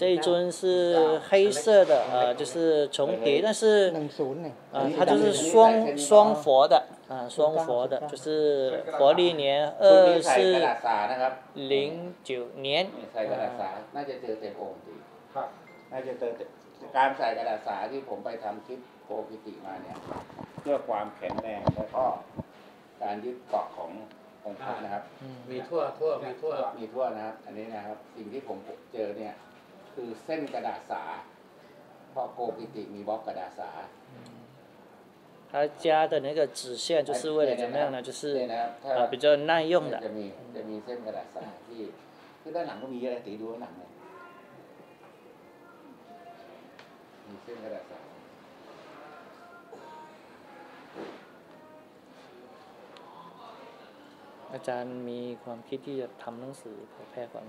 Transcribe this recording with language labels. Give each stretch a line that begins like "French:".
Chinese: 这一尊是黑色的，就是重叠，但是，它就是双佛的，双佛的，就是佛历年2409年。
Thai: ใส่กระดาษสาน่าจะเจอเต็มองค์ดีครับน่าจะเจอการใส่กระดาษสาที่ผมไปทำคลิปโกกิติมาเนี่ยเพื่อความแข็งแรงแล้วก็การยึดเกาะขององค์พระนะครับ มีทั่ว นะครับอันนี้นะครับสิ่งที่ผมเจอเนี่ยคือเส้นกระดาษสาเพราะโกกิติมีบล็อกกระดาษสา
Chinese: 他加的那个纸线就是为了怎么样呢就是比较耐用的
Thai: จะมีเส้นกระดาษสาที่คือด้านหลังก็มีเยอะตีดูข้างหลังมีเส้นกระดาษสา อาจารย์มีความคิดที่จะทำหนังสือเผยแพร่ความร